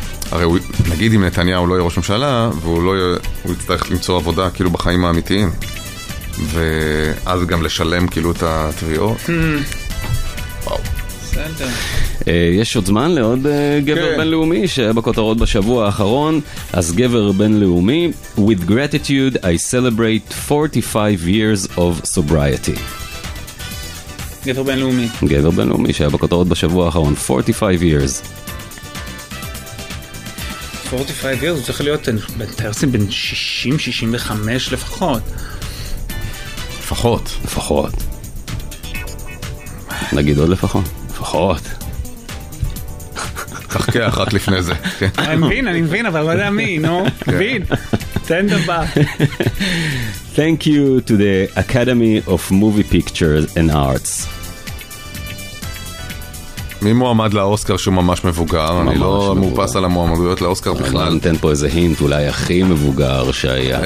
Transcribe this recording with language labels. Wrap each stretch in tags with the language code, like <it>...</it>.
<he>הרי הוא, נגיד אם נתניהו לא יהיה ראש ממשלה, והוא לא יהיה, הוא יצטרך למצוא עבודה כאילו בחיים האמיתיים. ואז גם לשלם כאילו את התביעות. וואו. יש עוד זמן לעוד גבר כן. בינלאומי שהיה בכותרות בשבוע האחרון. אז גבר בינלאומי,</he> <en>with gratitude I celebrate 45 years of sobriety.</en> <he>גבר בינלאומי. גבר בינלאומי שהיה בכותרות בשבוע האחרון, 45 years. 45 years, הוא צריך להיות בטרסים בין 60-65 לפחות. לפחות. לפחות. נגיד עוד לפחות. לפחות. חכה אחת לפני זה. אני מבין, אבל לא יודע מי, נו. מבין. תן דבר.</he> <en>Thank you to the Academy of Movie Pictures and Arts.</en> <he>מי מועמד לאוסקר שהוא ממש מבוגר? אני לא מופס על המועמדויות לאוסקר בכלל. אני אתן פה איזה הינט, אולי הכי מבוגר שהיה.</he>